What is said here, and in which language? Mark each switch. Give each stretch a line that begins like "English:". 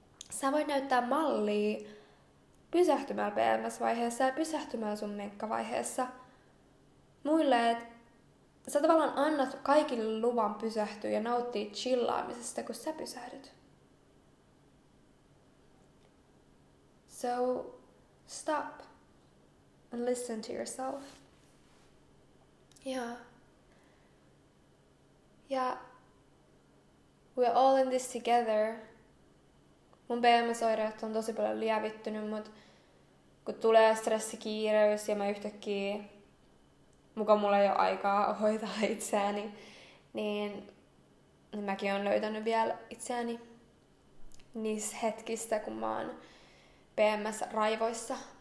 Finnish: Sä voit näyttää mallia pysähtymällä PMS-vaiheessa ja pysähtymällä sun menkkavaiheessa muille, että sä tavallaan annat kaikille luvan pysähtyä ja nauttia chillaamisesta, kun sä pysähdyt.
English: So, stop and listen to yourself. Ja we're all in this together.
Finnish: Mun PMS-oireet on tosi paljon lievittynyt, mut kun tulee stressikiireys ja mä yhtäkkiä mukaan mulla ei ole aikaa hoitaa itseäni, niin mäkin oon löytänyt vielä itseäni niissä hetkissä, kun mä oon PMS-raivoissa.